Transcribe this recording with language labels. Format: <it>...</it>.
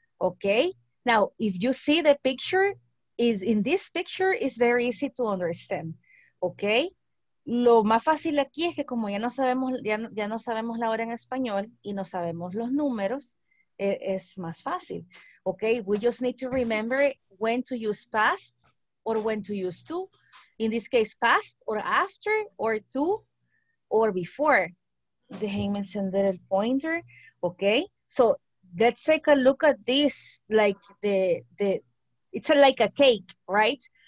<en>Okay, now if you see the picture, in this picture is very easy to understand.</en> <es>Okay, lo más fácil aquí es que como ya no sabemos la hora en español y no sabemos los números, es más fácil.</es> <en>Okay, we just need to remember when to use past or when to use to. In this case, past or after or to or before.</en> <es>Déjenme encender el pointer.</es> <en>Okay, so let's take a look at this, like it's like a cake, right?</en>